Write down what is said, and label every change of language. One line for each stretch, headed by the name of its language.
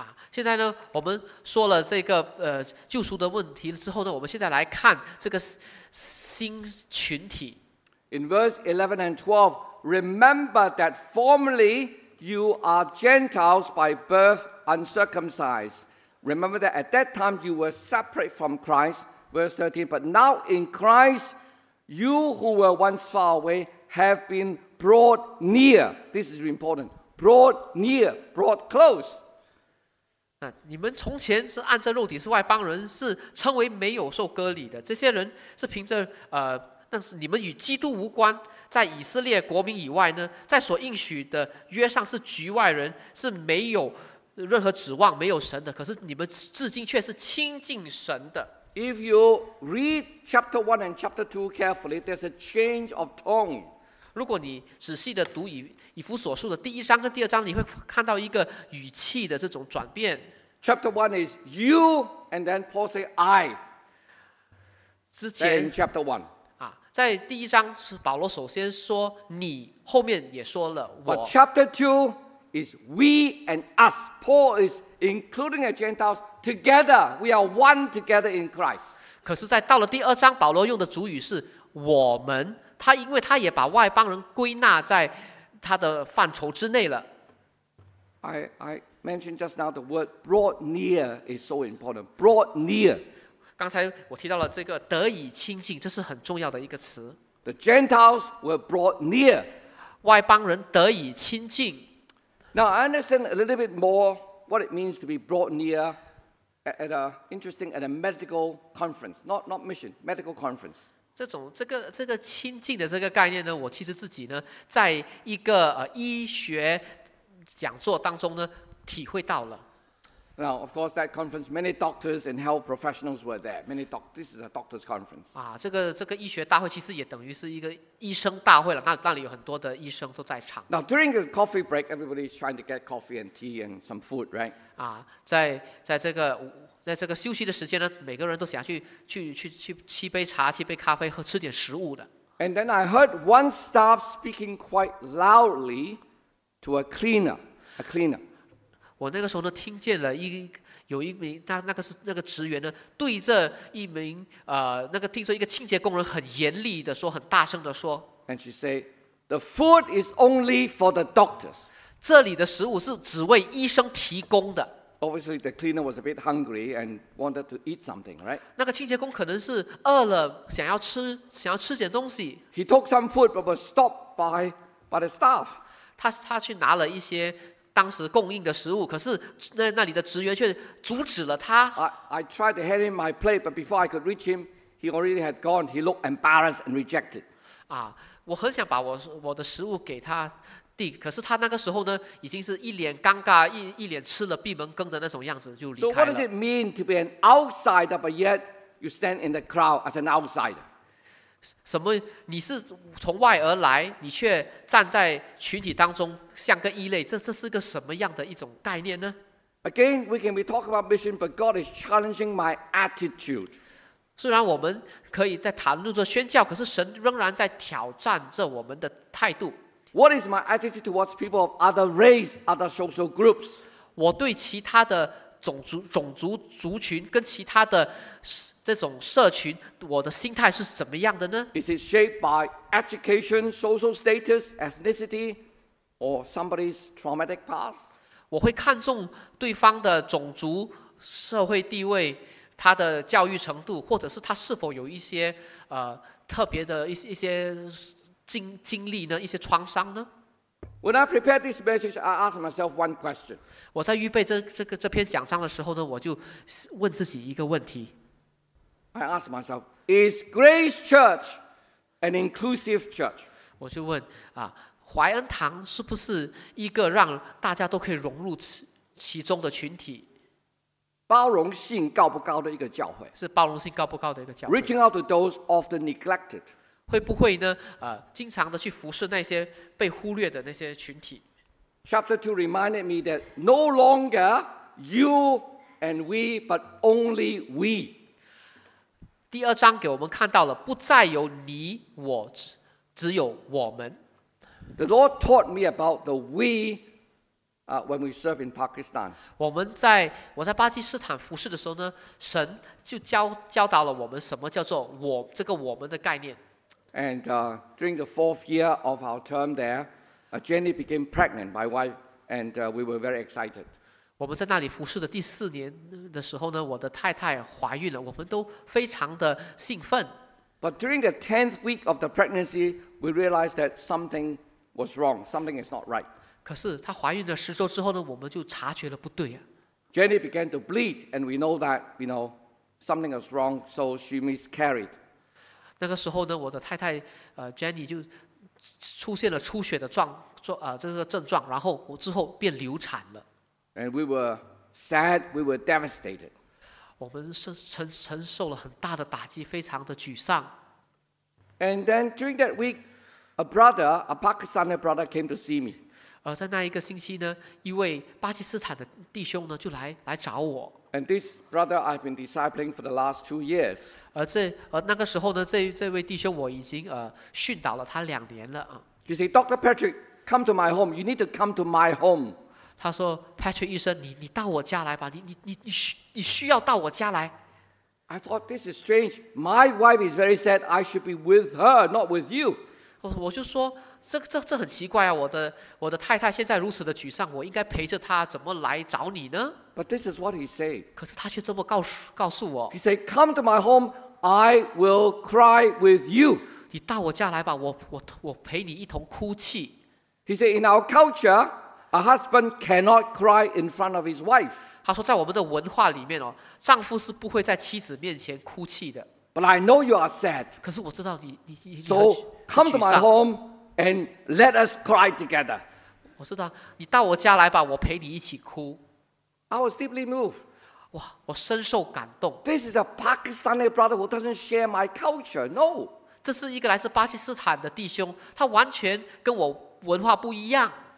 Chinese: 现在呢，我们说了这个救赎的问题之后呢，我们现在来看这个新群体。
English: In verse 11 and 12, remember that formerly you are Gentiles by birth. Uncircumcised. Remember that at that time you were separate from Christ, verse 13, but now in Christ, you who were once far away have been brought near. This is important. Brought near, brought close.
Chinese: 你们从前是按着肉体是外邦人，是称为没有受割礼的，这些人是凭着但是你们与基督无关，在以色列国民以外呢，在所应许的约上是局外人，是没有任何指望，没有神的，可是你们至今却是亲近神的。
English: If you read chapter 1 and chapter 2 carefully, there's a change of tone.
Chinese: 如果你仔细的读以弗所书的第一章跟第二章，你会看到一个语气的这种转变。
English: Chapter 1 is you, and then Paul say I.
Chinese: 之前
English: in chapter 1
Chinese: 在第一章是保罗首先说你，后面也说了我。
English: But chapter 2 is we and us. Paul is including the Gentiles together. We are one together in Christ.
Chinese: 可是在到了第二章，保罗用的主语是我们，他因为他也把外邦人归纳在他的范畴之内了。
English: I mentioned just now the word brought near is so important. Brought near.
Chinese: 刚才我提到了这个得以亲近，这是很重要的一个词。
English: The Gentiles were brought near.
Chinese: 外邦人得以亲近。
English: Now I understand a little bit more what it means to be brought near at a interesting at a medical conference, not mission, medical conference.
Chinese: 这个亲近的这个概念呢，我其实自己呢，在一个医学讲座当中呢，体会到了。
English: Now, of course, that conference, many doctors and health professionals were there. Many doctors, this is a doctor's conference.
Chinese: 这个医学大会其实也等于是一个医生大会了。那里有很多的医生都在场。
English: Now, during the coffee break, everybody's trying to get coffee and tea and some food, right?
Chinese: 在这个休息的时间呢，每个人都想去沏杯茶、沏杯咖啡，吃点食物的。
English: And then I heard one staff speaking quite loudly to a cleaner.
Chinese: 我那个时候呢，听见了有一名，那个职员呢，对着一名听着一个清洁工人很严厉的说，很大声的说。
English: And she said, "The food is only for the doctors."
Chinese: 这里的食物是只为医生提供的。
English: Obviously, the cleaner was a bit hungry and wanted to eat something, right?
Chinese: 那个清洁工可能是饿了，想要吃点东西。
English: He took some food, but was stopped by the staff.
Chinese: 他去拿了一些。当时供应的食物，可是 那里的职员却阻止了他。
English: I tried to hand him my plate, but before I could reach him, he already had gone. He looked embarrassed and rejected.
Chinese: 我很想把 我的食物给他递，可是他那个时候呢，已经是一脸尴尬， 一脸吃了闭门羹的那种样子就离开了。
English: So what does it mean to be an outsider, but yet you stand in the crowd as an outsider?
Chinese: 什么？你是从外而来，你却站在群体当中？像个异类，这是个什么样的一种概念呢？
English: Again, we can be talking about mission, but God is challenging my attitude.
Chinese: 虽然我们可以在谈论着宣教，可是神仍然在挑战着我们的态度。
English: What is my attitude towards people of other race, other social groups?
Chinese: 我对其他的种族群跟其他的这种社群，我的心态是怎么样的呢？
English: Is it shaped by education, social status, ethnicity? Or somebody's traumatic past.
Chinese: 我会看重对方的种族、社会地位、他的教育程度，或者是他是否有一些特别的一些经历呢？一些创伤呢
English: ？When I prepare this message, I ask myself one question.
Chinese: 我在预备这篇讲章的时候呢，我就问自己一个问题。
English: I ask myself, Is Grace Church an inclusive church?
Chinese: 我就问怀恩堂是不是一个让大家都可以融入其中的群体？包容性高不高的一个教会？是包容性高不高的一个教会
English: ？Reaching out to those often neglected，
Chinese: 会不会呢？经常的去服侍那些被忽略的那些群体
English: ？Chapter 2 reminded me that no longer you and we, but only we。
Chinese: 第二章给我们看到了，不再有你我，只有我们。
English: The Lord taught me about the we, when we serve in Pakistan.
Chinese: 我在巴基斯坦服事的时候呢，神就教导了我们什么叫做我这个我们的概念。
English: And during the fourth year of our term there, Jenny became pregnant, my wife, and we were very excited.
Chinese: 我们在那里服事的第四年的时候呢，我的太太怀孕了，我们都非常的兴奋。
English: But during the tenth week of the pregnancy, we realized that something. What's wrong? Something is not right.
Chinese: 可是她怀孕了十周之后呢，我们就察觉了不对啊。
English: Jenny began to bleed, and we know that, you know, something was wrong, so she miscarried.
Chinese: 那个时候呢，我的太太Jenny 就出现了出血的这个症状，然后我之后便流产了。
English: And we were sad, we were devastated.
Chinese: 我们承受了很大的打击，非常的沮丧。
English: And then during that week, a brother, a Pakistani brother, came to see me.
Chinese: 在那一个星期呢，一位巴基斯坦的弟兄呢就来找我。
English: And this brother I've been discipling for the last 2 years.
Chinese: 那个时候呢，这位弟兄我已经训导了他两年了。
English: You say, Dr. Patrick, come to my home. You need to come to my home.
Chinese: 他说 ，Patrick 医生，你到我家来吧，你需要到我家来。
English: I thought this is strange. My wife is very sad. I should be with her, not with you.
Chinese: 我就说，这很奇怪啊！我的太太现在如此的沮丧，我应该陪着她，怎么来找你呢？
English: But this is what he said.
Chinese: 可是他却这么告诉我。
English: He said, "Come to my home. I will cry with you."
Chinese: 你到我家来吧，我陪你一同哭泣。
English: He said, "In our culture, a husband cannot cry in front of his wife."
Chinese: 他说，在我们的文化里面哦，丈夫是不会在妻子面前哭泣的。
English: But I know you are sad.
Chinese: 可是我知道你很沮丧。
English: So come to my home and let us cry together.
Chinese: 我知道，你到我家来吧，我陪你一起哭。
English: I was deeply moved.
Chinese: 哇，我深受感动。
English: This is a Pakistani brother who doesn't share my culture. No.
Chinese: 这是一个来自巴基斯坦的弟兄，他完全跟我文化不一样。